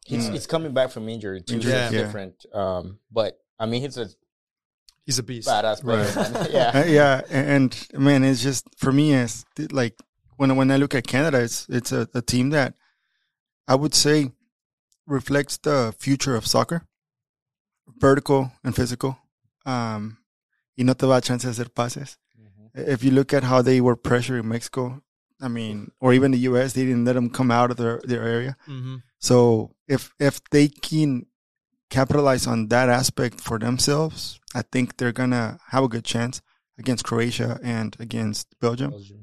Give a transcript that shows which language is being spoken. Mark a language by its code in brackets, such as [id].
[en] He's coming back from injury too. Injury, yeah. Different. But I mean, he's a beast. Badass player. Right. Yeah. And man, it's just, for me, it's like when I look at Canada, it's a team that I would say reflects the future of soccer, vertical and physical. [es] Y no te va a chance de hacer pases. Mm-hmm. [en] If you look at how they were pressuring Mexico, I mean, or even the U.S., they didn't let them come out of their area. Mm-hmm. So if they can capitalize on that aspect for themselves, I think they're going to have a good chance against Croatia and against Belgium.